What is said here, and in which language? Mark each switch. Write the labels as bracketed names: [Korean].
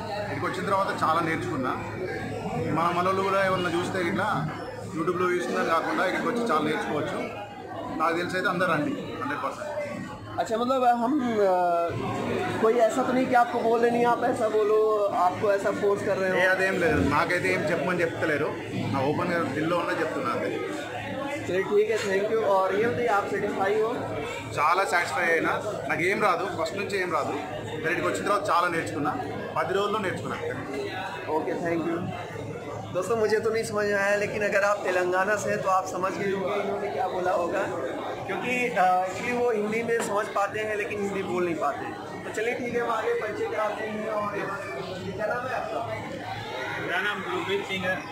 [Telugu] ఇక్కడికి వచ్చిన తర్వాత చాలా నేర్చుకున్నా, మా మనలో కూడా ఏమన్నా చూస్తే ఇట్లా యూట్యూబ్లో చూస్తున్నా కాకుండా ఇక్కడికి వచ్చి చాలా నేర్చుకోవచ్చు. నాకు తెలిసి అయితే అందరూ రండి 100%. [Hindi] अच्छा मतलब हम कोई ऐसा तो नहीं कि आपको बोले नहीं आप ऐसा बोलो, आपको ऐसा फोर्स कर रहे हो? [Telugu] ఏం లేదు, నాకైతే ఏం చెప్పమని చెప్తలేరు, నా ఓపెన్ గా దిల్లో ఉన్నా చెప్తున్నా. [Hindi] చలే ठीक है, थैंक यू. और ये बताइए आप सैटिस्फाई हो? [Telugu] చాలా సాటిస్ఫై అయినా, నాకు ఏం రాదు, ఫస్ట్ నుంచి ఏం రాదు, ఇక్కడికి వచ్చిన తర్వాత చాలా నేర్చుకున్నా, 10 రోజుల్లో నేర్చుకున్నా. [English] Okay thank you. [Hindi] दोस्तों मुझे तो नहीं समझ आया, लेकिन अगर आप तेलंगाना से हैं तो आप समझ गए होंगे इन्होंने क्या बोला होगा, क्योंकि इसलिए वो हिंदी में समझ पाते हैं लेकिन हिंदी बोल नहीं पाते. तो चलिए ठीक है, हम आगे परिचय कराते हैं. और क्या नाम है आपका? मेरा नाम गुरप्रीत सिंह है.